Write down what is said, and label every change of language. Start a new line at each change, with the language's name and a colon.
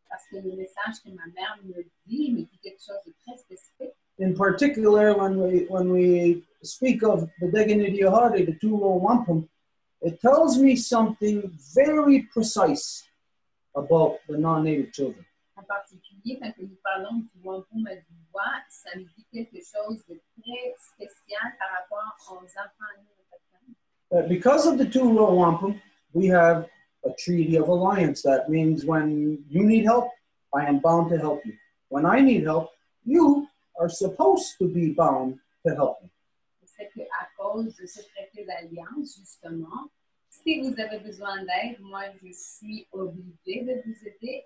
English: In particular, when we speak of the Deux Voies, the Deux Wampum, it tells me something very precise about the non-native children.
French: En particulier, quand nous parlons du wampum et du bois, ça nous dit quelque chose de très spécial par rapport aux enfants non autochtones.
English: Because of the two row wampum, we have a treaty of alliance. That means when you need help, I am bound to help you. When I need help, you are supposed to be bound to help me.
French: C'est que à cause de ce traité d'alliance, justement, si vous avez besoin d'aide, moi je suis obligée de vous aider.